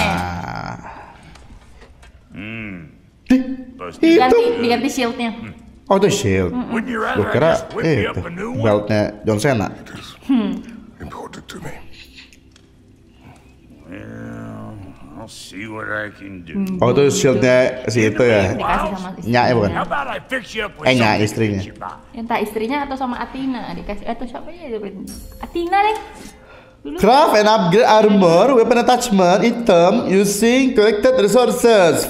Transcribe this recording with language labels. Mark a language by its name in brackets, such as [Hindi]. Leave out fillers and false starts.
[English] fuckers up before you go off galloping. Upgrade [Indonesian] nih. Diganti shield-nya. Oh, itu shield. Gue kira itu belt-nya John Cena. [English] Important to me. Well, I'll see what I can do. [Indonesian] Oh, itu shield-nya si itu ya. Nyaknya bukan? Nyak istrinya. Entah istrinya atau sama Athena dikasih atau siapa ya? Athena deh. [English] Craft and upgrade armor, weapon attachment, item using collected resources.